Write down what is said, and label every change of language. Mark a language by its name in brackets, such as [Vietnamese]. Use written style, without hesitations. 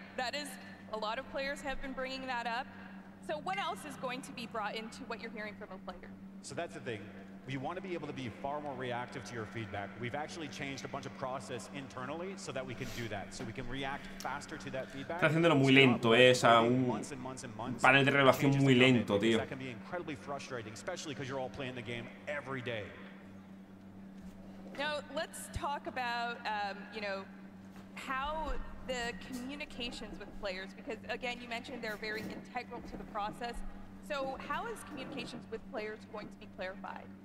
[English] That is, a lot of players have been bringing that up. So what else is going to be brought into what you're hearing from a player? So that's the thing. We want to be able to be far more reactive to your feedback. We've actually changed a bunch of process internally so that we can do that. So we can react faster to that feedback. [Spanish] Está haciéndolo muy lento, un panel de relevación muy lento, tío. [English] That can be incredibly frustrating, especially because you're all playing the game every day. Now, let's talk about, how the communications with players, because again, you mentioned they're very integral to the process. So how is communications with players going to be clarified?